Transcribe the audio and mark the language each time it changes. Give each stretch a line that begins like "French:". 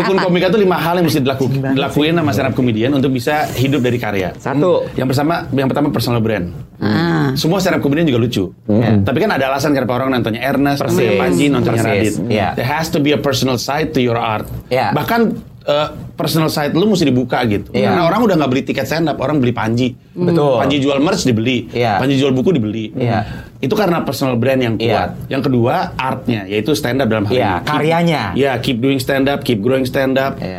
Indonesian: rukun komika tuh 5 hal yang mesti dilakuin sama stand up comedian untuk bisa hidup dari karya. Satu. Yang pertama personal brand. Semua stand up comedian juga lucu. Tapi kan ada alasan kenapa orang nontonnya Ernest, nontonnya Panji, nontonnya Radit.
English: There has to be a personal side to your art.
Indonesian: Bahkan personal side lu mesti dibuka gitu. Karena orang udah gak beli tiket stand up, orang beli Panji. Betul. Panji jual merch dibeli. Panji jual buku dibeli. Itu karena personal brand yang kuat. Yang kedua, artnya, yaitu stand up dalam hal ini. Karyanya.
English: Iya, keep doing stand up, keep growing stand up.